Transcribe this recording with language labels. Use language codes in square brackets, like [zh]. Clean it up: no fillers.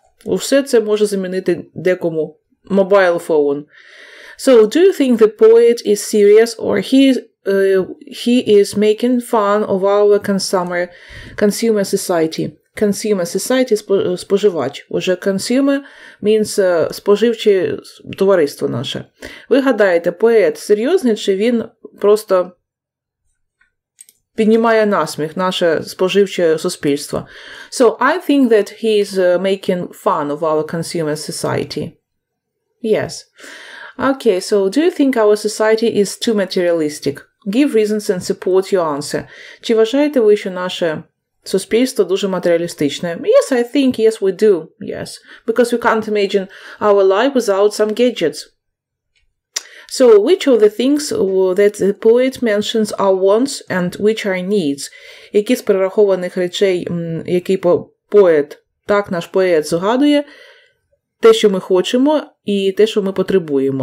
[uk] Усе це може замінити декому. [en] Mobile phone. So, do you think the poet is serious or he is making fun of our consumer society? [uk] Consumer society – споживач. Отже, consumer means споживче товариство наше. Ви гадаєте, поет серйозний чи він просто піднімає насміх наше споживче суспільство. [en] So, I think that he is making fun of our consumer society. Yes. Okay, so do you think our society is too materialistic? Give reasons and support your answer. [uk] Чи вважаєте ви, що наше суспільство дуже матеріалістичне? [en] Yes, I think. Yes, we do. Yes. Because we can't imagine our life without some gadgets. So, which of the things that the poet mentions are wants and which are needs? [uk] Які з перерахованих речей, які поет, так, наш поет згадує, те, що ми хочемо і те, що ми потребуємо.